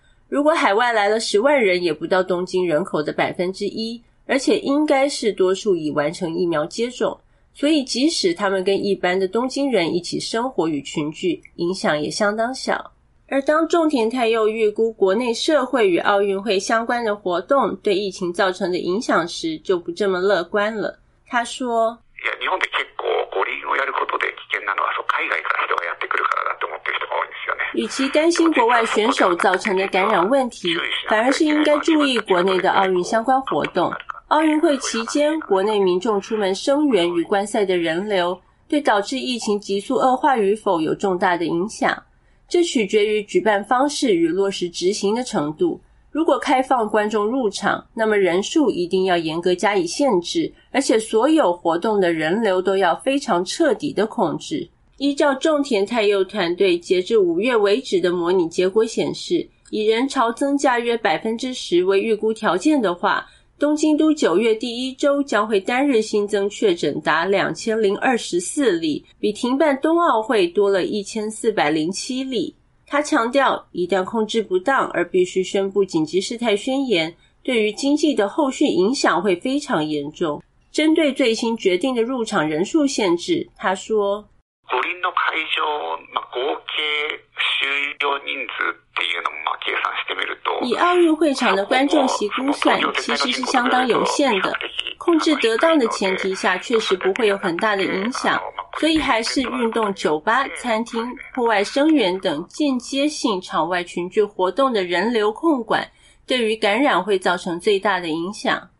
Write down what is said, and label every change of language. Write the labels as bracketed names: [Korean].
[Chinese] 如果海外来了10万人也不到东京人口的1%，而且应该是多数已完成疫苗接种，所以即使他们跟一般的东京人一起生活与群聚，影响也相当小。而当种田太佑预估国内社会与奥运会相关的活动对疫情造成的影响时，就不这么乐观了。他说， [Japanese] 日本で結構五輪をやることで危険なのは、海外から人がやってくるからだと思ってる人が多いんですよね。 [Chinese] 与其担心国外选手造成的感染问题，反而是应该注意国内的奥运相关活动。奥运会期间，国内民众出门声援与观赛的人流，对导致疫情急速恶化与否有重大的影响。这取决于举办方式与落实执行的程度。如果开放观众入场，那么人数一定要严格加以限制，而且所有活动的人流都要非常彻底的控制。依照种田太佑团队截至5月为止的模拟结果显示，以人潮增加约 10% 为预估条件的话，东京都9月第一周将会单日新增确诊达2024例，比停办冬奥会多了1407例。他强调，一旦控制不当而必须宣布紧急事态宣言，对于经济的后续影响会非常严重。针对最新决定的入场人数限制，他说， [Japanese] 五輪の会場、まあ、合計収容人数っていうのも、まあ、計算してみると。 [Chinese] 以奥运会场的观众席估算其实是相当有限的。控制得当的前提下确实不会有很大的影响。所以还是运动酒吧、餐厅、户外声援等间接性场外群聚活动的人流控管对于感染会造成最大的影响。